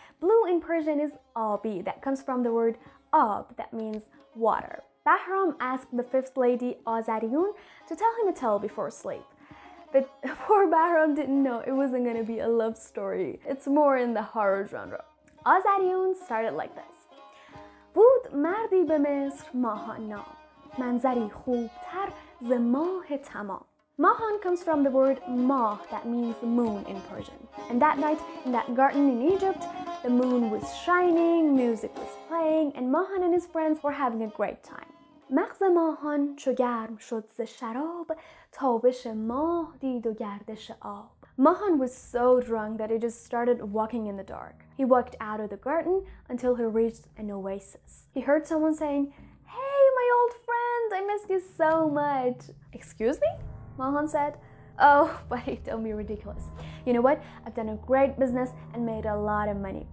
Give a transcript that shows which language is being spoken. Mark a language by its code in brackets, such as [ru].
[en] Blue in Persian is Abi, that comes from the word Ab, that means water. Bahram asked the fifth lady, Azariun, to tell him a tale before sleep. But poor Bahram didn't know it wasn't gonna be a love story. It's more in the horror genre. Azariun started like this. [fa] بود مردی به مصر ماه نام منظری خوبتر ز ماه تمام. [en] Mahan comes from the word mah, that means moon in Persian. And that night, in that garden in Egypt, the moon was shining, music was playing, and Mahan and his friends were having a great time. [fa] مغز ماهان چو گرم شد ز شراب تابش ماه دید و گردش آب. [en] Mahan was so drunk that he just started walking in the dark. He walked out of the garden until he reached an oasis. He heard someone saying, "Hey, my old friend, I missed you so much." "Excuse me?" Mahan said. "Oh, buddy, don't be ridiculous. You know what? I've done a great business and made a lot of money.